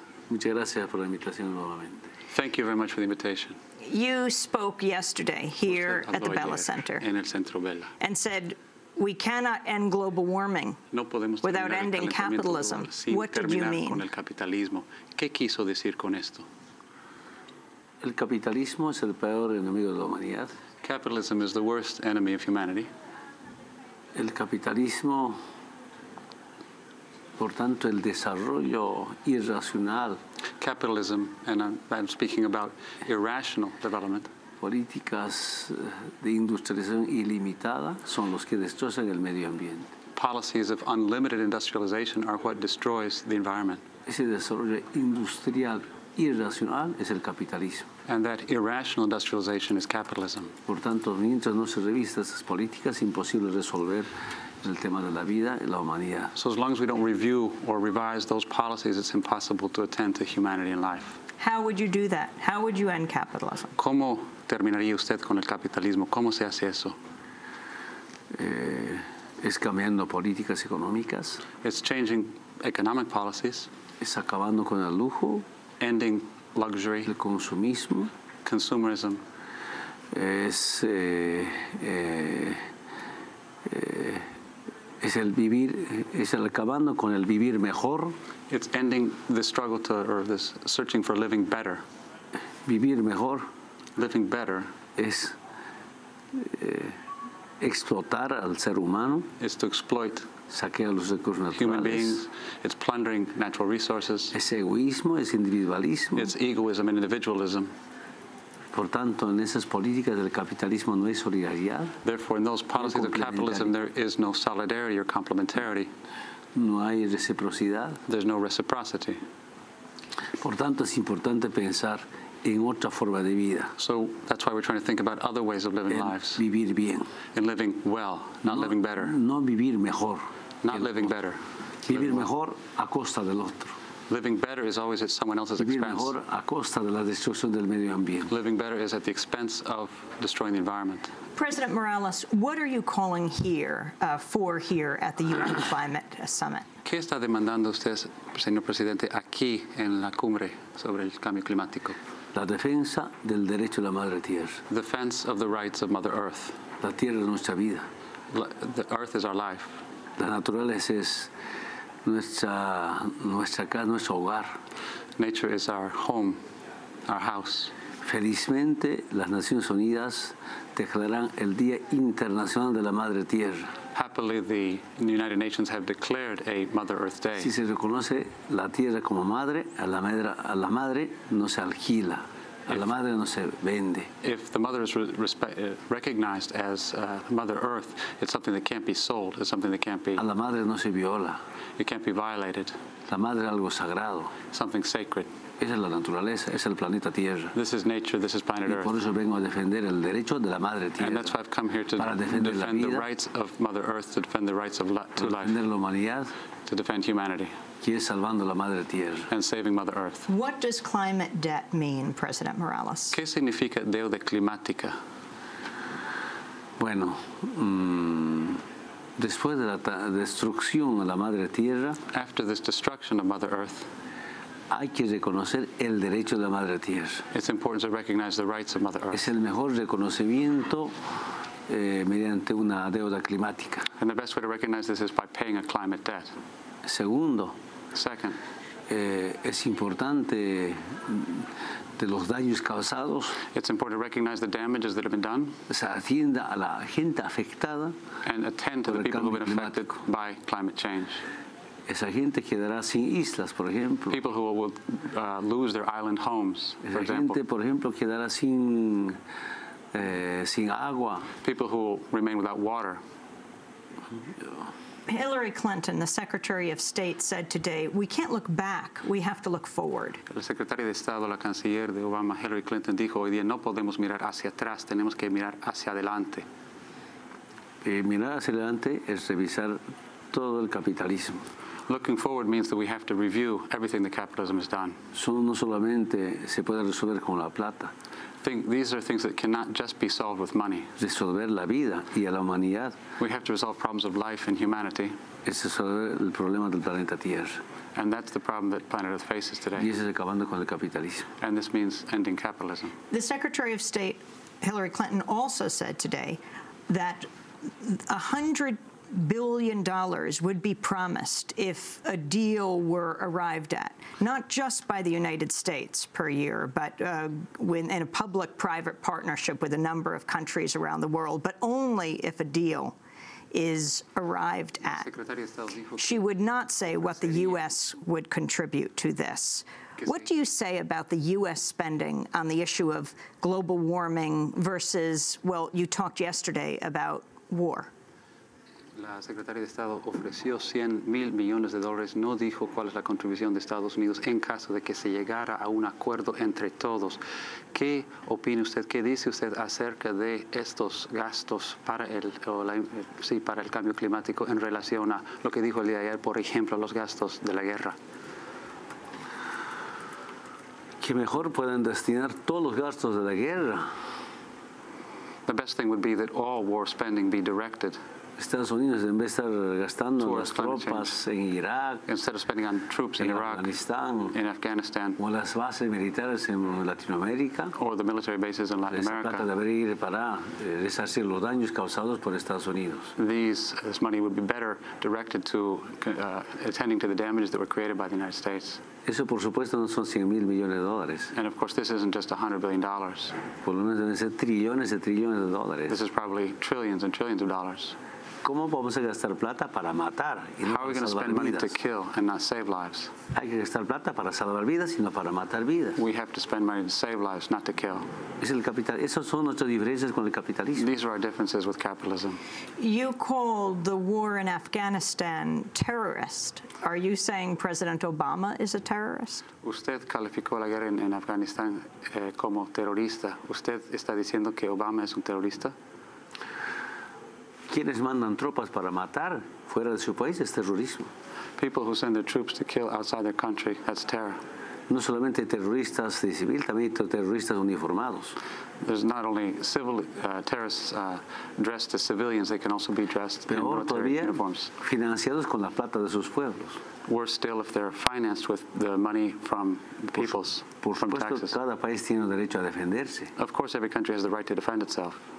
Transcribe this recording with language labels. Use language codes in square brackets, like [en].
[es] Muchas gracias por la invitación nuevamente. [en] Thank you very much for the invitation. You spoke yesterday here at the Bella Center [es] en el Centro Bella. [en] And said, we cannot end global warming without ending capitalism. What did you mean? [es] Con el capitalismo. ¿Qué quiso decir con esto? El capitalismo es el peor enemigo de la humanidad. [en] Capitalism is the worst enemy of humanity. [es] El capitalismo, por tanto, el desarrollo irracional. [en] Capitalism, and I'm speaking about irrational development. [es] Políticas de industrialización ilimitada son los que destrozan el medio ambiente. [en] Policies of unlimited industrialization are what destroys the environment. [es] Ese desarrollo industrial irracional es el capitalismo. [en] And that irrational industrialization is capitalism. [es] Por tanto, mientras no se revisan esas políticas, es imposible resolver el tema de la vida y la humanidad. [en] So as long as we don't review or revise those policies, it's impossible to attend to humanity and life. How would you do that? How would you end capitalism? [es] ¿Cómo terminaría usted con el capitalismo? ¿Cómo se hace eso? Es cambiando políticas económicas. [en] It's changing economic policies. [es] Es acabando con el lujo. [en] Ending luxury. [es] El consumismo. [en] Consumerism. [es] Es, es el vivir, es el acabando con el vivir mejor. [en] It's ending the struggle to, or this searching for living better. [es] Vivir mejor. [en] Living better. [es] Es explotar al ser humano. [en] Is to exploit. [es] Saquea los recursos naturales. [en] Human beings, it's plundering natural resources. [es] Es egoísmo, es individualismo. [en] It's egoism and individualism. [es] Por tanto, en esas políticas del capitalismo no hay solidaridad. [en] Therefore, in those policies of capitalism, there is no solidarity or complementarity. [es] No hay reciprocidad. [en] There's no reciprocity. [es] Por tanto, es importante pensar en otra forma de vida. [en] So that's why we're trying to think about other ways of living [es] en [en] lives. [es] Vivir bien. [en] In living well, not living better. [es] No vivir mejor. [en] Not living better. [es] Vivir mejor a costa del otro. [en] Living better is always at someone else's [es] vivir [en] expense. [es] Vivir mejor a costa de la destrucción del medio ambiente. [en] Living better is at the expense of destroying the environment. President Morales, what are you calling here for here at the UN Climate Summit? [es] ¿Qué está demandando usted, señor presidente, aquí en la cumbre sobre el cambio climático? La defensa del derecho de la madre tierra. [en] Defense of the rights of Mother Earth. [es] La tierra es nuestra vida. [en] The earth is our life. [es] La naturaleza es nuestra casa, nuestro hogar. [en] Nature is our home, our house. [es] Felizmente, las Naciones Unidas declaran el Día Internacional de la Madre Tierra. [en] Happily, the United Nations have declared a Mother Earth Day. [es] Si se reconoce la tierra como madre, a la madre no se alquila, a la madre no se vende. [en] If the mother is recognized as Mother Earth, it's something that can't be sold, it's something that can't be... [es] A la madre no se viola. [en] It can't be violated. [es] La madre es algo sagrado. [en] Something sacred. [es] Esa es la naturaleza, es el planeta Tierra. [en] This is nature, this is planet Earth. [es] Y por eso vengo a defender el derecho de la madre Tierra. [en] And that's why I've come here to defend the rights of Mother Earth, to defend the rights of life. To [es] defender la humanidad. [en] To defend humanity. [es] Que es salvando la madre Tierra. [en] And saving Mother Earth. What does climate debt mean, President Morales? [es] ¿Qué significa deuda climática? Bueno, después de la destrucción de la madre tierra, [en] after this destruction of Mother Earth, [es] hay que reconocer el derecho de la madre tierra. [en] It's important to recognize the rights of Mother Earth. [es] Es el mejor reconocimiento mediante una deuda climática. [en] And the best way to recognize this is by paying a climate debt. [es] Segundo. [en] Second. [es] Es importante de los daños causados. [en] It's important to recognize the damages that have been done. [es] Se atienda a la gente afectada. [en] And attend to the people who have been affected by climate change. [es] Esa gente quedará sin islas, por ejemplo. [en] People who will lose their island homes, [es] esa [en] for example. [es] Esa gente, por ejemplo, quedará sin sin agua. People who will remain without water. [en] Hillary Clinton, the Secretary of State, said today, "We can't look back; we have to look forward." [es] La secretaria de Estado, la canciller de Obama, Hillary Clinton, dijo hoy día, "No podemos mirar hacia atrás; tenemos que mirar hacia adelante." Mirar hacia adelante es revisar todo el capitalismo. [en] Looking forward means that we have to review everything that capitalism has done. [es] No solamente se puede resolver con la plata. [en] These are things that cannot just be solved with money. [es] Resolver la vida y a la humanidad. [en] We have to resolve problems of life and humanity. [es] Es resolver el problema del planeta Tierra. [en] And that's the problem that planet Earth faces today. [es] Y es acabando con el capitalismo. [en] And this means ending capitalism. The Secretary of State, Hillary Clinton, also said today that $100 billion would be promised if a deal were arrived at, not just by the United States per year, but in a public-private partnership with a number of countries around the world, but only if a deal is arrived at. She would not say what the U.S. would contribute to this. What do you say about the U.S. spending on the issue of global warming versus, well, you talked yesterday about war? [es] La secretaria de Estado ofreció 100 mil millones de dólares, no dijo cuál es la contribución de Estados Unidos en caso de que se llegara a un acuerdo entre todos. ¿Qué opina usted, qué dice usted acerca de estos gastos para el cambio climático en relación a lo que dijo el día de ayer, por ejemplo, los gastos de la guerra? Que mejor pueden destinar todos los gastos de la guerra. [en] The best thing would be that all war spending be directed. [es] Estados Unidos, en vez de estar gastando las tropas en Irak, [en] instead of spending on troops in Iraq, in Afghanistan, [es] o las bases militares en Latinoamérica, [en] or the military bases in Latin America, [es] esa plata debería ir para resarcir los daños causados por Estados Unidos. [en] This money would be better directed to attending to the damages that were created by the United States. [es] Eso, por supuesto, no son 100 mil millones de dólares. [en] And of course, this isn't just $100 billion. [es] Por lo menos deben ser trillones y trillones de dólares. [en] This is probably trillions and trillions of dollars. [es] ¿Cómo vamos a gastar plata para matar y no para salvar vidas? [en] Money to kill and not save lives? [es] Hay que gastar plata para salvar vidas y no para matar vidas. [en] We have to spend money to save lives, not to kill. [es] Es el capital. Esas son nuestras diferencias con el capitalismo. [en] These are our differences with capitalism. You called the war in Afghanistan terrorist. Are you saying President Obama is a terrorist? [es] Usted calificó la guerra en Afganistán como terrorista. ¿Usted está diciendo que Obama es un terrorista? Quienes mandan tropas para matar fuera de su país es terrorismo. [en] People who send their troops to kill outside their country, that's terror. [es] No solamente terroristas de civil, también terroristas uniformados. [en] There's not only civil terrorists dressed as civilians, they can also be dressed [es] peor [en] in military uniforms. [es] Financiados con la plata de sus pueblos. [en] Worse still if they're financed with the money from peoples, [es] por supuesto, [en] from taxes. [es] Cada país tiene derecho a defenderse. [en] Of course, every country has the right to defend itself.